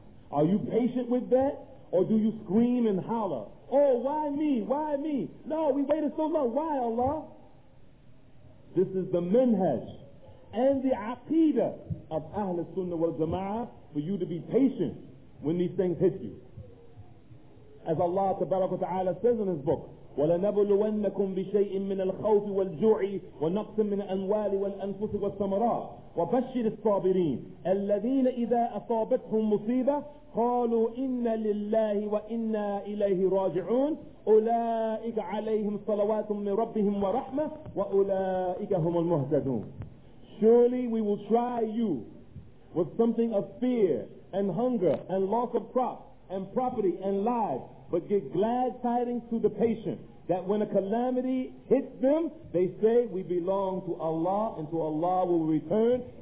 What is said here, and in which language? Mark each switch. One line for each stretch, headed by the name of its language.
English: Are you patient with that, or do you scream and holler? Oh, why me? Why me? No, we waited so long. Why, Allah? This is the manhaj and the aqidah of Ahl Sunnah wal Jama'ah for you to be patient when these things hit you. As Allah tabarak wa ta'ala says in his book,
Arabic: وَلَنَبْلُوَنَّكُمْ بِشَيْءٍ مِّنَ الْخَوْفِ وَالْجُوعِ وَنَقْصٍ مِّنَ الْأَمْوَالِ وَالْأَنفُسِ وَالثَّمَرَاتِ وَبَشِّرِ الصَّابِرِينَ الَّذِينَ إِذَا أَصَابَتْهُمْ مُصِيبَةٌ قَالُوا إِنَّ لِلَّهِ وَإِنَّا إِلَيْهِ رَاجِعُونَ أُولَئِكَ عَلَيْهِمْ صَلَوَاتٌ مِّن رَّبِّهِمْ وَرَحْمَةٌ وَأُولَئِكَ هُمُ الْمُهْتَدُونَ.
English: Surely we will try you with something of fear and hunger and loss of crop and property and lives, but give glad tidings to the patient that when a calamity hits them, they say, we belong to Allah and to Allah will return.